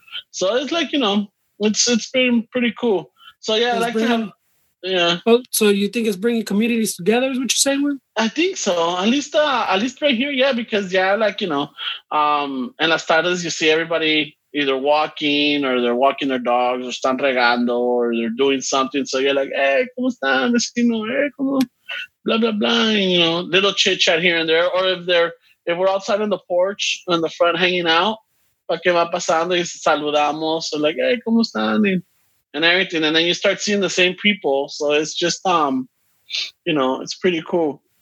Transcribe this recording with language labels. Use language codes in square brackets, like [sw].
[en] So it's like, you know, it's been pretty cool. So yeah, it's like bringing, yeah. Well, so you think it's bringing communities together, is what you're saying, man? I think so. At least right here, yeah, because yeah, like, you know, in [es] las tardes, [en] you see everybody either walking or they're walking their dogs or [es] están regando [en] or they're doing something. So you're like, hey, [es] ¿cómo están, vecino? [en] Hey, ¿cómo? Blah, blah, blah. And, you know, little chit chat here and there. Or if we're outside on the porch in the front hanging out, [es] ¿pa qué va pasando? Y saludamos. [en] So like, hey, [es] ¿cómo están? [en] And everything. And then you start seeing the same people. So it's just, you know, it's pretty cool.